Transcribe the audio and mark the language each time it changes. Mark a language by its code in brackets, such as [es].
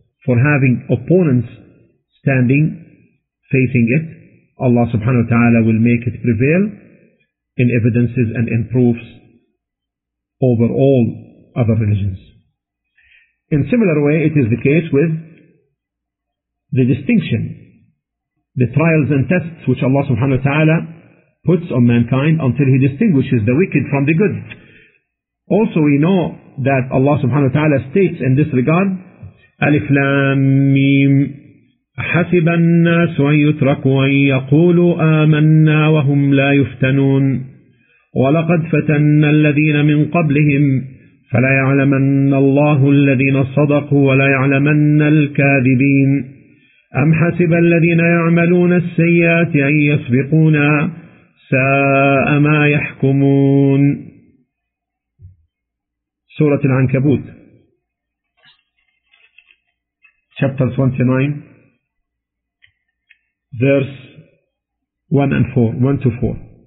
[en] For having opponents standing, facing it, Allah subhanahu wa ta'ala will make it prevail in evidences and in proofs over all other religions. In similar way, it is the case with the distinction, the trials and tests which Allah subhanahu wa ta'ala puts on mankind until he distinguishes the wicked from the good. Also, we know that Allah subhanahu wa ta'ala states in this regard, [ar] أَلِفْ لَمْ مِيمْ حَسِبَ النَّاسُ أَنْ يُتْرَكُوا أَنْ يَقُولُوا آمَنَّا وَهُمْ لَا يُفْتَنُونَ وَلَقَدْ فَتَنَّ الَّذِينَ مِنْ قَبْلِهِمْ فَلَيَعْلَمَنَّ اللَّهُ الَّذِينَ صَدَقُوا وَلَيَعْلَمَنَّ الْكَاذِبِينَ أَمْ حَسِبَ الَّذِينَ يَعْمَلُونَ السَّيَّاتِ أَنْ يَسْبِقُونَا سَاءَ مَا يَحْكُمُونَ. [en] سورة العنكبوت chapter 29 verse 1 to 4.